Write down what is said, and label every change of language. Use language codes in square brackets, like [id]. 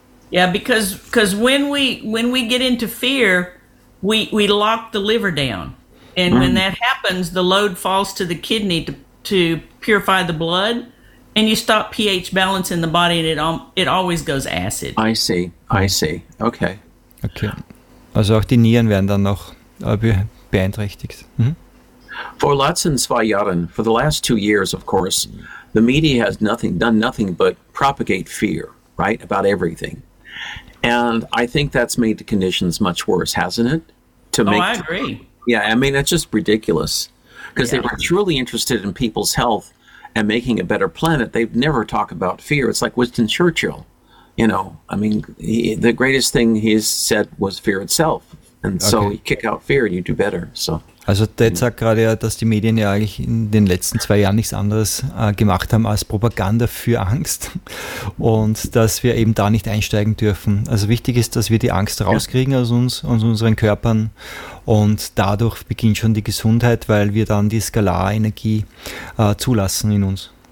[en] Yeah, because when we get into fear, we lock the liver down. And when that happens, the load falls to the kidney to purify the blood, and you stop pH balance in the body, and it always goes acid. I see. Okay. Okay. [de] Also auch die Nieren werden dann noch beeinträchtigt. Mhm. [en] For lots and [de] zwei Jahren, [en] for the last 2 years, of course, the media has done nothing but propagate fear, right, about everything. And I think that's made the conditions much worse, hasn't it? I agree. Yeah, I mean, that's just ridiculous, because they were truly interested in people's health and making a better planet. They'd never talk about fear. It's like Winston Churchill, you know. I mean, the greatest thing he said was fear itself. And so okay. you kick out fear and you do better. So. [de] Also Ted sagt gerade ja, dass die Medien ja eigentlich in den letzten 2 Jahren nichts anderes gemacht haben als Propaganda für Angst und dass wir eben da nicht einsteigen dürfen. Also wichtig ist, dass wir die Angst rauskriegen aus uns und unseren Körpern, und dadurch beginnt schon die Gesundheit, weil wir dann die Skalarenergie zulassen in uns.